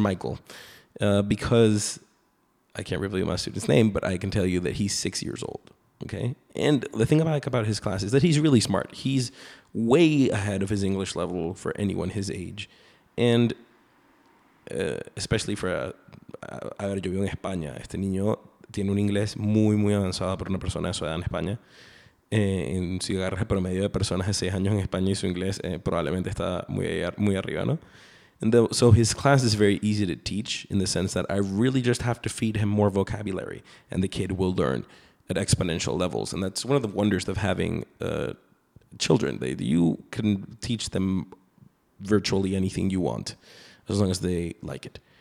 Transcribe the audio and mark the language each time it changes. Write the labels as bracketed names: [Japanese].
[English] Michael because I can't reveal my student's name, but I can tell you that he's 6 years old, okay? And the thing I like about his class is that he's really smart. He's way ahead of his English level for anyone his age. And especially for [Spanish] a ver, yo vivo en España. Este niño tiene un inglés muy, muy avanzado para una persona de su edad en España. Si agarras el promedio de personas de 6 años en España y su inglés probablemente está muy, muy arriba, ¿no? [English] And so his class is very easy to teach in the sense that I really just have to feed him more vocabulary and the kid will learn at exponential levels. And that's one of the wonders of having children. You can teach them virtually anything you want as long as they like it.